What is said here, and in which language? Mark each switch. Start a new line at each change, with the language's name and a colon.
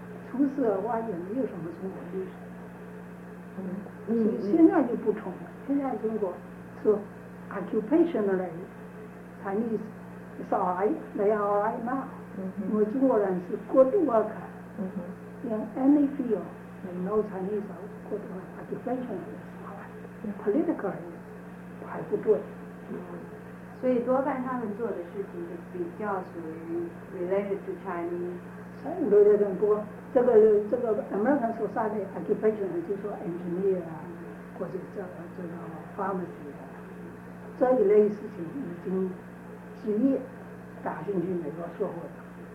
Chinese: 除此而外也没有什么中国律师，所以现在就不同了。现在中国是
English: occupationally Chinese is alright, they are alright now、
Chinese: 因为中国人是
English: good worker、in any field they know Chinese are good worker, occupationally is alright, politically
Chinese: 还不对、所以多半他们做的事情就比较属于
English: related to Chinese。
Chinese: 对对对，不过这个
English: American society occupation
Chinese: 就是说 engineer 啊，或者这个 pharmacy 啊，这一类事情已经职业打进去美国社会了。